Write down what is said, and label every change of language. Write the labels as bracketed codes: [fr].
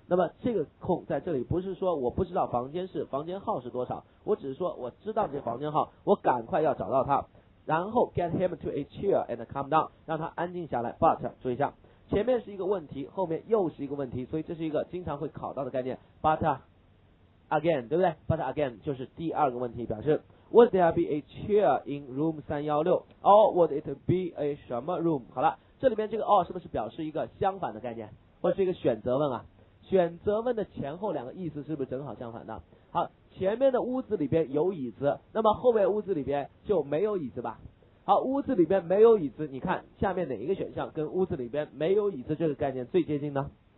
[zh] 那么这个空在这里不是说我不知道房间号是多少，我只是说我知道这房间号，我赶快要找到他，然后 get him to a chair and calm down，让他安静下来。 but 注意一下，前面是一个问题，后面又是一个问题，所以这是一个经常会考到的概念。 but again，对不对？ [en] but again 就是第二个问题，表示 would there be a chair in room 316 or would it be a 什么 room。 [zh] 好了，这里面这个 or 是不是表示一个相反的概念，或者是一个选择问啊？选择问的前后两个意思是不是正好相反的？好，前面的屋子里边有椅子，那么后面屋子里边就没有椅子吧。好，屋子里边没有椅子，你看下面哪一个选项跟屋子里边没有椅子这个概念最接近呢？